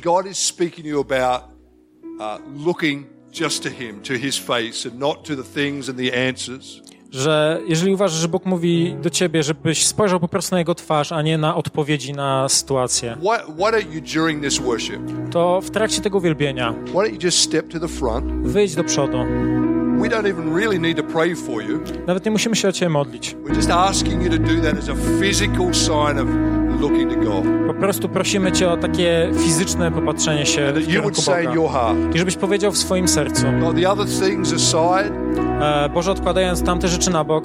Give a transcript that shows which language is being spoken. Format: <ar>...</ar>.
<en>God is speaking to you about looking just to him, to his face and not to the things and the answers.</en> <pl>Że jeżeli uważasz, że Bóg mówi do ciebie, żebyś spojrzał po prostu na jego twarz, a nie na odpowiedzi na sytuację.</pl> <en>Why don't you during this worship?</en> <pl>To w trakcie tego uwielbienia.</pl> <en>Why don't you just step to the front?</en> <pl>Wyjdź do przodu.</pl> <en>We don't even really need to pray for you.</en> <pl>Nawet nie musimy się o ciebie modlić.</pl> <en>We're just asking you to do that as a physical sign of looking to God.</en> <pl>Po prostu prosimy cię o takie fizyczne popatrzenie się w kierunku Boga.</pl> <en>In your heart.</en> <pl>I żebyś powiedział w swoim sercu.</pl> <en>God, the other things aside,</en> <pl>Boże, odkładając tamte rzeczy na bok,</pl>